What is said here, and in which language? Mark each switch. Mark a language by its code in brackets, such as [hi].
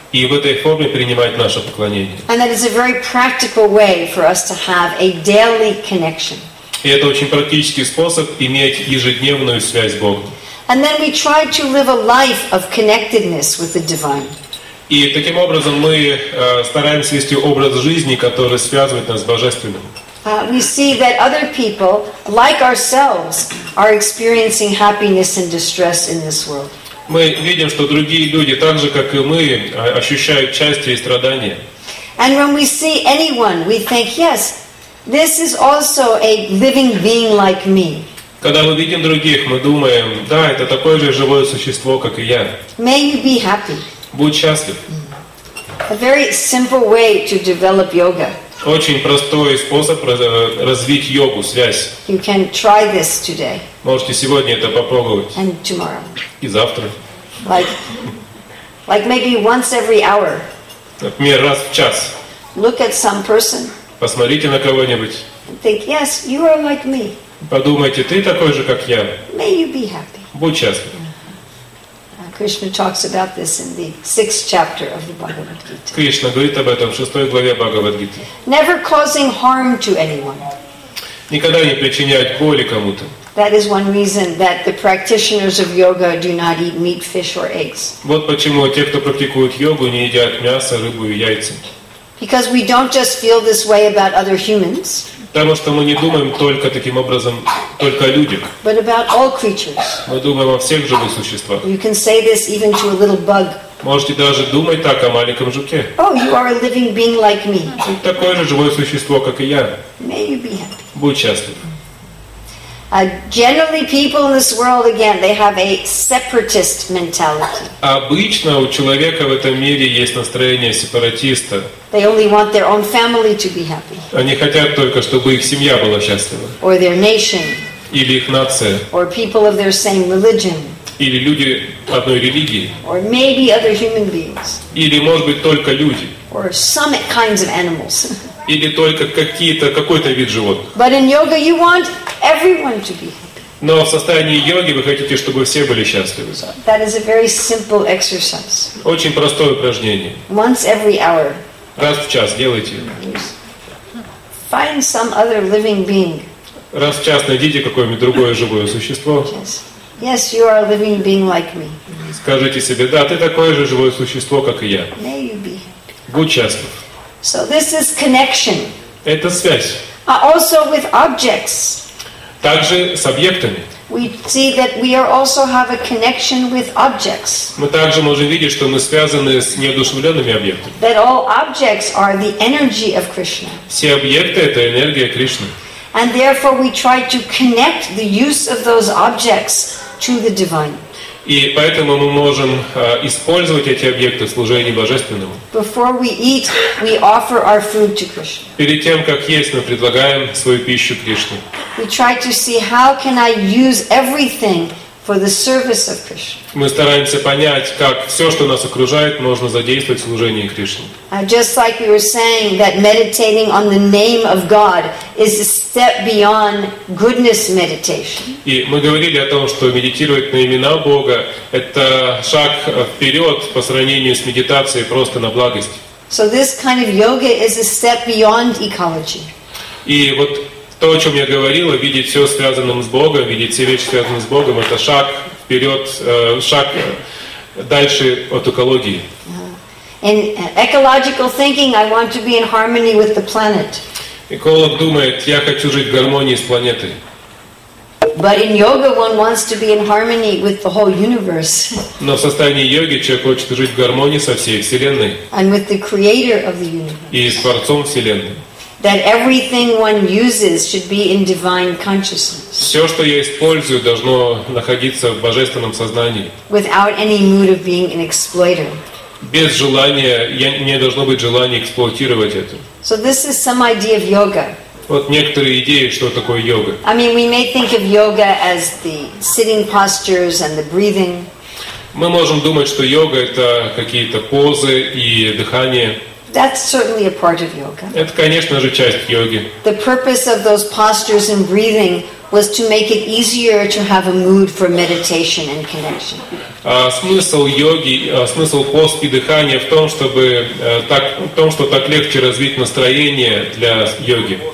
[ru] И в этой форме принимать наше поклонение. [en] And that is a very practical way for us to have a daily connection. [ru] И это очень практический способ иметь ежедневную связь с Богом. [en] And then we try to live a life of connectedness with the divine. [ru] И таким образом мы стараемся вести образ жизни, который связывает нас с божественным. [en] We see that other people, like ourselves, are experiencing happiness and distress in this world. [ru] Мы видим, что другие люди, так же как и мы, ощущают счастье и страдания. [en] And when we see anyone, we think, yes, this is also a living being like me. [ru] Когда мы видим других, мы думаем, да, это такое же живое существо, как и я. [en] May you be happy. [ru] Будь счастлив. [en] A very simple way to develop yoga. [ru] Очень простой способ развить йогу, связь. [en] You can try this today. [ru] Можете сегодня это попробовать. [en] And tomorrow. [ru] И завтра. [en] Like maybe once every hour. [ru] Например, раз в час. [en] Look at some person. [ru] Посмотрите на кого-нибудь. [en] Think, yes, you are like me. [ru] Подумайте, ты такой же, как я. [en] May you be happy. [ru] Будь счастлив. [en] Krishna talks about this in the sixth chapter of the Bhagavad Gita. [ru] Кришна говорит об этом в шестой главе Бхагавад Гиты. [en] Never causing harm to anyone. [ru] Никогда не причинять боли кому-то. [en] That is one reason that the practitioners of yoga do not eat meat, fish, or eggs. [ru] Вот почему те, кто практикуют йогу, не едят мясо, рыбу и яйца. [en] Because we don't just feel this way about other humans. [ru] Потому что мы не думаем только таким образом, только о людях. [en] But about all creatures. [ru] Мы думаем о всех живых существах. [en] You can say this even to a little bug. [ru] Можете даже думать так о маленьком жуке. [en] Oh, you are a living being like me. [ru] Ты такое же живое существо, как и я. [en] May you be happy. [ru] Будь счастлив. [en] Generally, people in this world, again, they have a separatist mentality. [ru] Обычно у человека в этом мире есть настроение сепаратиста. [en] They only want their own family to be happy. [ru] Они хотят только, чтобы их семья была счастлива. [en] Or their nation. [ru] Или их нация. [en] Or people of their same religion. [ru] Или люди одной религии. [en] Or maybe other human beings. [ru] Или, может быть, только люди. [en] Or some kinds of animals. [ru] Или только какой-то вид животных. [en] But in yoga you want everyone to be happy. [ru] Но в состоянии йоги вы хотите, чтобы все были счастливы. [en] So that is a very simple exercise. [ru] Очень простое упражнение. [en] Once every hour. [ru] Раз в час делайте. [en] Find some other living being. [ru] Раз в час найдите какое-нибудь другое живое существо. [en] Yes. Yes, you are a living being like me. [ru] Скажите себе, да, ты такое же живое существо, как и я. [en] May you be happy. [ru] Будь счастлив. [en] So this is connection. [ru] Это связь. [en] Also with objects. [ru] Также с объектами. [en] We see that we also have a connection with objects. [ru] Мы также можем видеть, что мы связаны с неодушевленными объектами. [en] That all objects are the energy of Krishna. [ru] Все объекты — это энергия Кришны. [en] And therefore we try to connect the use of those objects to the divine. [ru] И поэтому мы можем использовать эти объекты в служении Божественному. [en] Before we eat, we offer our food to Krishna. [ru] Перед тем, как есть, мы предлагаем свою пищу Кришне. [en] We try to see how can I use everything for the service of Krishna. [ru] Мы стараемся понять, как все, что нас окружает, можно задействовать в служении Кришне. [en] Just like we were saying that meditating on the name of God is a step beyond goodness meditation. [ru] И мы говорили о том, что медитировать на имена Бога — это шаг вперед по сравнению с медитацией просто на благость. [en] So this kind of yoga is a step beyond ecology. [ru] И вот то, о чем я говорила, видеть все связанным с Богом, видеть все вещи связанные с Богом, это шаг вперед, шаг дальше от экологии. [en] In ecological thinking, I want to be in harmony with the planet. [ru] Эколог думает, я хочу жить в гармонии с планетой. [en] But in yoga, one wants to be in harmony with the whole universe. [ru] Но в состоянии йоги человек хочет жить в гармонии со всей вселенной. [en] And with the creator of the universe. [ru] И с творцом вселенной. [en] That everything one uses should be in divine consciousness. [ru] Все, что я использую, должно находиться в божественном сознании. [en] Without any mood of being an exploiter. [ru] Без желания, не должно быть желания эксплуатировать это. [en] So this is some idea of yoga. [ru] Вот некоторые идеи, что такое йога. [en] I mean, we may think of yoga as the sitting postures and the breathing. [ru] Мы можем думать, что йога — это какие-то позы и дыхание. [en] That's certainly a part of yoga. [ru] Это, конечно же, часть йоги. [en] The purpose of those postures and breathing was to make it easier to have a mood for meditation and connection. [ru] Смысл йоги, смысл пост и дыхания в том, чтобы так легче развить настроение для йоги.